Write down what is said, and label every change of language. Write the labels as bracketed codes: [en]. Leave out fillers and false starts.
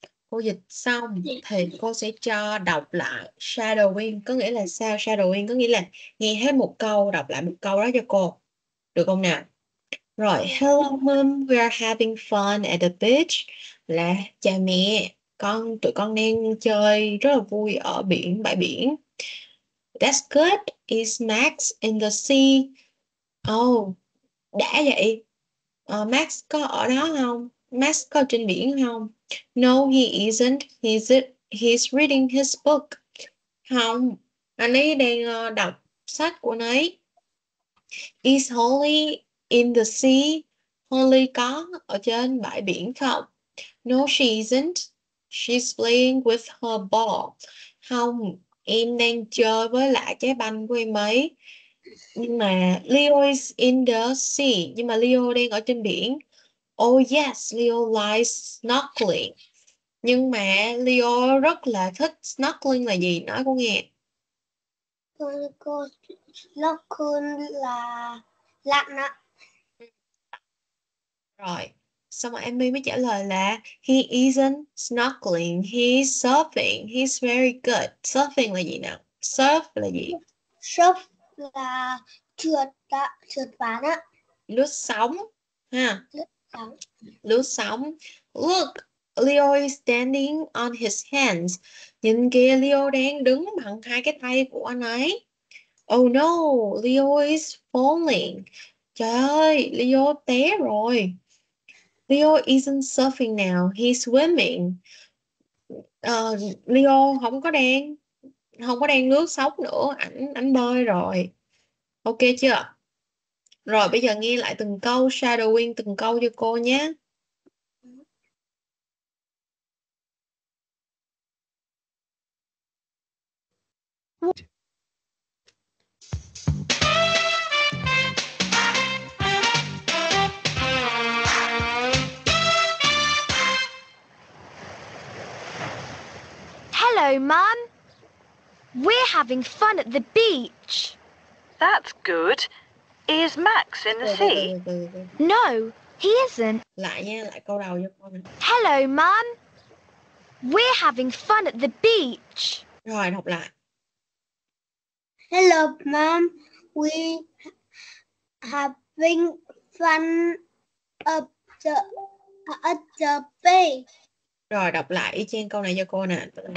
[vi] Cô dịch xong thì cô sẽ cho đọc lại shadowing. Có nghĩa là sao shadowing? Có nghĩa là nghe hết một câu, đọc lại một câu đó cho cô. Được không nào? [en] Rồi, hello mom, we are having fun at the beach. [vi] Là chào mẹ, con tụi con đang chơi rất là vui ở biển, bãi biển. [en] That's good, is Max in the sea? [vi] Oh, đã vậy. Max có ở đó không? Max có trên biển không? [en] No, he isn't. He's reading his book. [vi] Không, anh ấy đang đọc sách của anh ấy. [en] Is Holly in the sea? [vi] Holly có ở trên bãi biển không? [en] No, she isn't. She's playing with her ball. [vi] Không, em đang chơi với lại trái banh của em ấy. Nhưng mà Leo [en] is in the sea. [vi] Nhưng mà Leo đang ở trên biển. [en] Oh yes, Leo likes snorkeling. [vi] Nhưng mà Leo rất là thích snorkeling là gì? Nói cô nghe. Cô Locun là lặn ạ. Rồi, xong rồi Amy mới trả lời là [en] he isn't snorkeling, he's surfing, he's very good. [vi] Surfing là gì nào? Surf là gì? Shop là trượt đã, trượt ván á. Lướt sóng, ha? Lướt sóng. Lướt sóng. [en] Look, Leo is standing on his hands. [vi] Nhìn kìa, Leo đang đứng bằng hai cái tay của anh ấy. [en] Oh no, Leo is falling. [vi] Trời ơi, Leo té rồi. [en] Leo isn't surfing now, he's swimming. [vi] Leo không có đang lướt sóng nữa, ảnh bơi rồi. Ok chưa? Rồi bây giờ nghe lại từng câu, shadowing từng câu cho cô nhé. [en] Hello, Mum. We're having fun at the beach. That's good. Is Max in the sea? No, he isn't. [vi] Lại nha, lại câu đầu cho con. [en] Hello, Mum. We're having fun at the beach. [vi] Rồi, đọc lại. [en] Hello, Mum. We having fun at the beach. [vi] Rồi đọc lại y chang câu này cho cô nè.